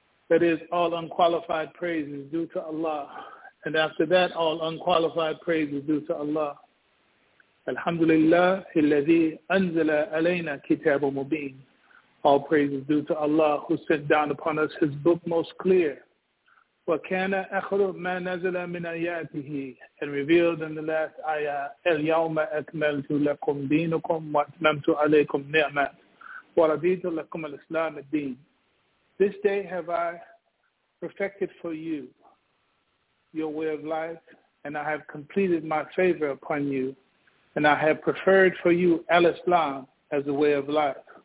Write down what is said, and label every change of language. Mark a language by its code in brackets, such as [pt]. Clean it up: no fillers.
[en] That is all unqualified praises due to Allah. And after that, all unqualified praises due to Allah. [ar] Alhamdulillah, الذي أنزل علينا كتاب مبين. [en] All praises due to Allah who sent down upon us his book most clear. [ar] وَكَانَ أَخْرُ مَا نَزَلَ مِنْ آيَاتِهِ [en] And revealed in the last ayah, [ar] الْيَوْمَ أَكْمَلْتُ لَكُمْ دِينُكُمْ وَأَتْمَمْتُ عَلَيْكُمْ نِعْمَةً وَرَضِيتُ لَكُمْ الْإِسْلَامِ الدِّينِ [en] This day have I perfected for you your way of life, and I have completed my favor upon you, and I have preferred for you al-Islam as a way of life.